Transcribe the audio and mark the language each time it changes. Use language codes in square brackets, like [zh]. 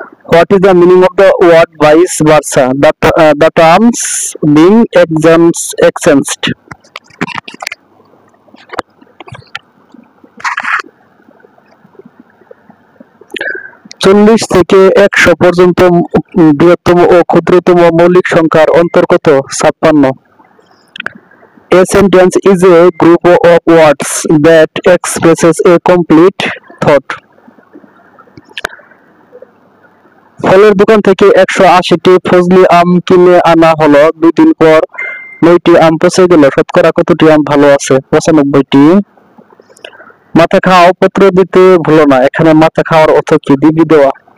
[en] What is the meaning of the word vice versa, the terms being exchanged. [bn] চল্লিশ থেকে 100 পর্যন্ত বৃহত্তম ও ক্ষুদ্রতম মৌলিক সংখ্যার অন্তর্গত? 56। [en] A sentence is a group of words that expresses a complete thought. [bn] ফলের দোকান থেকে 180টি ফজলি আম কিনে আনা হলো, 2 দিন পর 9টি আম পচে গেল, শতকরা কতটি আম ভালো আছে? 95টি। মাথা খাও পত্র দিতে ভুলো না, এখানে মাথা খাওয়ার অর্থ কি? দিবি দেওয়া।